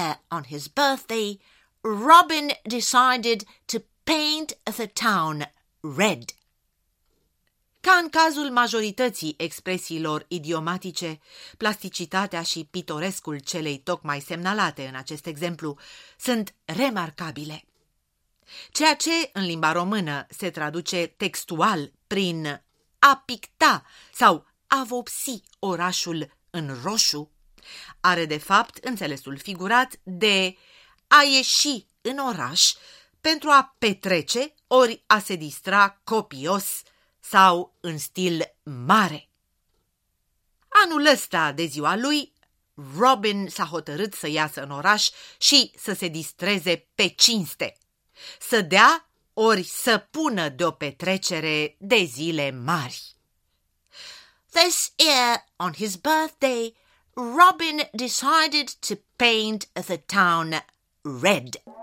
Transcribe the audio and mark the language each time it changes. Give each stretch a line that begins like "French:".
English: On his birthday, Robin decided to paint the town red.
Romanian: Ca în cazul majorității expresiilor idiomatice, plasticitatea și pitorescul celei tocmai semnalate în acest exemplu sunt remarcabile. Ceea ce în limba română se traduce textual prin a picta sau a vopsi orașul în roșu, are de fapt înțelesul figurat de a ieși în oraș pentru a petrece ori a se distra copios sau în stil mare. Anul ăsta de ziua lui, Robin s-a hotărât să iasă în oraș și să se distreze pe cinste, să dea ori să pună de o petrecere de zile mari.
English: This year, on his birthday, Robin decided to paint the town red.